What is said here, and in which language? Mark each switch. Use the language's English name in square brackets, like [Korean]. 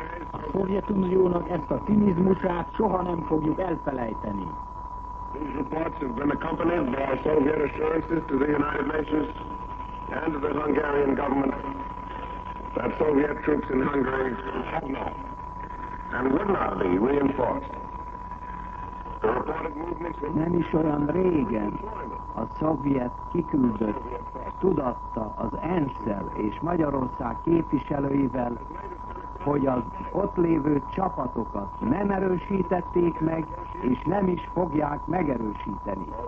[Hungarian] A Szovjetuniónak ezt a cinizmusát soha nem fogjuk elfelejteni. [English] These reports have been accompanied by Soviet assurances to the United Nations and to the Hungarian government that Soviet troops in Hungary have not and would not be reinforced. The reported movements [Hungarian] in Nem is olyan régen a szovjet kiküldött tudatta az ENSZ-el és Magyarország képviselőivel, hogy az ott lévő csapatokat nem erősítették meg, és nem is fogják megerősíteni.